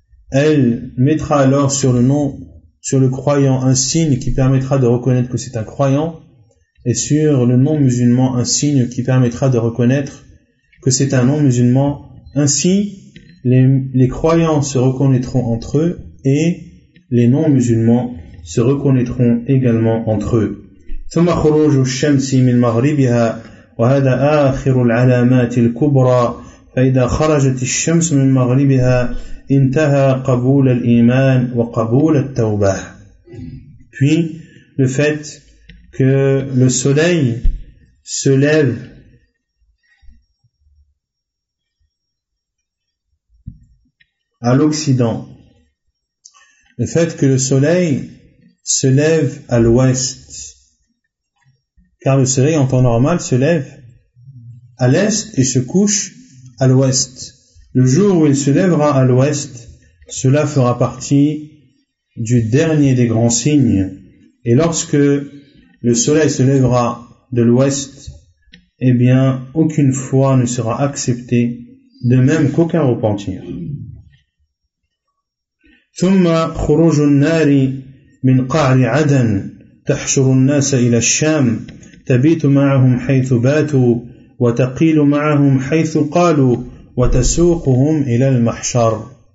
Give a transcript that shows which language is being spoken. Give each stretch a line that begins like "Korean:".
French: Elle mettra alors sur le croyant un signe qui permettra de reconnaître que c'est un croyant, et sur le non-musulman un signe qui permettra de reconnaître que c'est un non-musulman. Ainsi, les croyants se reconnaîtront entre eux et les non-musulmans se reconnaîtront également entre eux.
Arabic: ثم خروج الشمس من مغربها وهذا آخر العلامات الكبرى فإذا خرجت الشمس من مغربها انتهى قبول الإيمان وقبول التوبة.
French: Puis le fait que le soleil se lève à l'Occident, le fait que le soleil se lève à l'Ouest, car le soleil en temps normal se lève à l'Est et se couche à l'Ouest. Le jour où il se lèvera à l'Ouest, cela fera partie du dernier des grands signes. Et lorsque le soleil se lèvera de l'Ouest, eh bien, aucune foi ne sera acceptée, de même qu'aucun repentir.
Arabic: ثم خروج النار من قعر عدن تحشر الناس إلى الشام تبيت معهم حيث باتوا وتقيل معهم حيث قالوا وتسوقهم إلى المحشر.